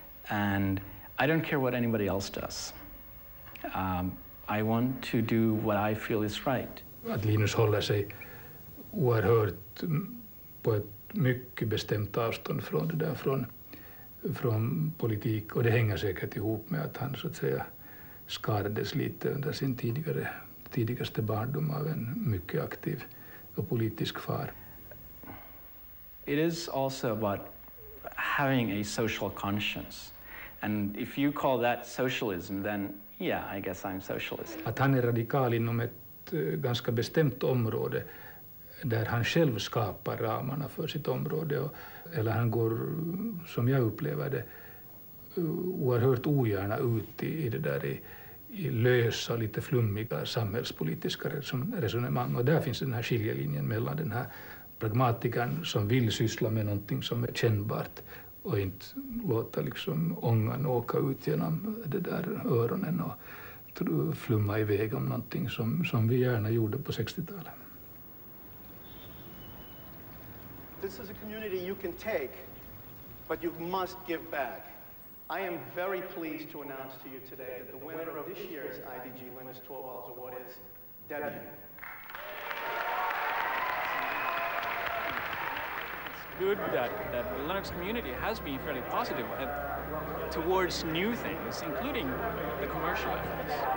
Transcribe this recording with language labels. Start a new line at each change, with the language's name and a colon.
English: And I don't care what anybody else does. I want to do what I feel is right.
Swedish: Att Linus håller sig oerhört på ett mycket bestämt avstånd från det där, från politik. Och det hänger säkert ihop med att han så att säga skadades lite under sin tidigaste barndom av en mycket aktiv och politisk far.
English: It is also about having a social conscience. And if you call that socialism, then yeah, I guess I'm socialist.
Swedish: Att han är radikal inom ett ganska bestämt område, där han själv skapar ramarna för sitt område, eller han går, som jag upplever det, oerhört ogärna ut i det där i lösa, lite flummiga samhällspolitiska resonemang. Och där finns den här skiljelinjen mellan den här pragmatikern som vill syssla med någonting som är kännbart och inte låta liksom ångan åka ut genom det där öronen och flumma iväg om någonting som vi gärna gjorde på 60-talet.
English: This is a community you can take, but you must give back. I am very pleased to announce to you today that the winner of this year's IDG Linus Torvalds Award is Debbie. It's good that the Linux community has been fairly positive towards new things, including the commercial efforts.